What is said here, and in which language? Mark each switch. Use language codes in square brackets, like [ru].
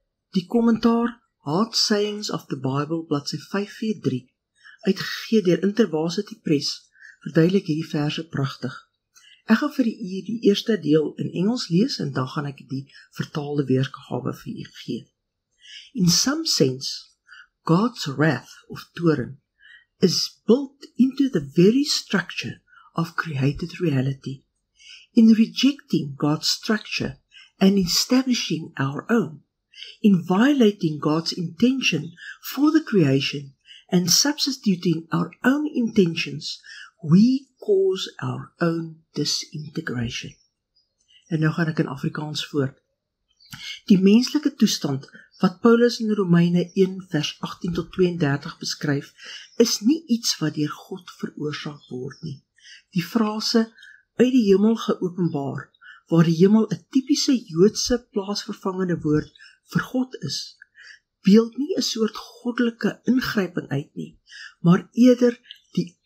[af] Die kommentaar Hard Sayings of the Bible, bladsy 543, uitgegee deur Interversity Press, verduidelik hierdie verse prachtig. Ek gaan vir u die eerste deel in Engels lees, en dan gaan ek die vertaalde weergawe vir u gee. [en] In some sense, God's wrath of toorn is built into the very structure of created reality. In rejecting God's structure and establishing our own, in violating God's intention for the creation and substituting our own intentions, we cause our own disintegration. [af] En nou gaan ek in Afrikaans voort. Die menslike toestand wat Paulus in Romeine 1 vers 18 tot 32 beskryf, is nie iets wat deur God veroorsaak word nie. Die frase, uit die hemel geopenbaar, waar die hemel 'n typiese Joodse plaasvervangende woord vir God is, beeld nie 'n soort goddelike ingryping uit nie, maar eerder die